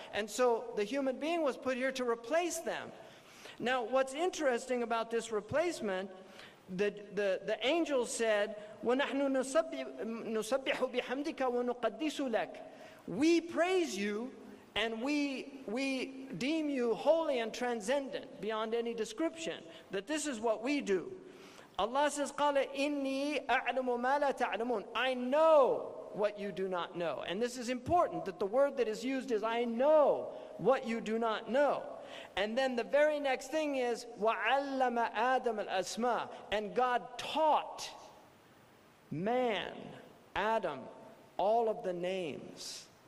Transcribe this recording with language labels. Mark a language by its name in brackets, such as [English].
[English] And so the human being was put here to replace them. Now, what's interesting about this replacement, the angel said, [Arabic] وَنَحْنُ نُسَبِّحُ بِحَمْدِكَ وَنُقَدِّسُ لَكَ. [English] We praise you, and we deem you holy and transcendent, beyond any description, that this is what we do. Allah says, [Arabic] قَالَ إِنِّي أَعْلَمُ مَا لَا تَعْلَمُونَ. [English] I know what you do not know. And this is important, that the word that is used is, I know what you do not know. And then the very next thing is, [Arabic] وَعَلَّمَ آدَمَ الْأَسْمَى. [English] And God taught man, Adam, all of the names.